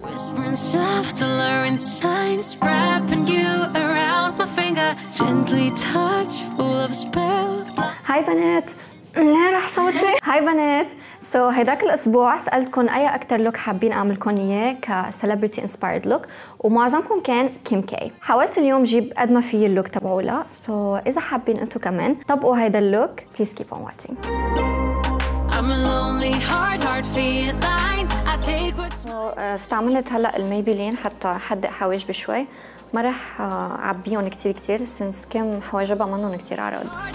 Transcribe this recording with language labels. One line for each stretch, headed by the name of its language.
English: whispering soft, alluring signs, wrapping you around my finger, gently touch, full of spell.
Arabic: هاي بنات، ليه رح صوتي؟ هاي بنات، سو هيداك الأسبوع سألتكن أي أكتر لوك حابين أعملكن إياه كـ
English: celebrity inspired look،
Arabic: ومعظمكم كان كيم كي. حاولت اليوم جيب قد ما في اللوك تبعولا، سو إذا حابين أنتو كمان طبقوا هيدا اللوك،
English: please keep on watching. I'm a lonely heart, heart feeling. I take what's
Arabic: استعملت هلا الميبيلين حتى حدق حواجبي شوي، ما رح عبيهم كتير كتير سنس كم حواجبها منهم كتير عرض.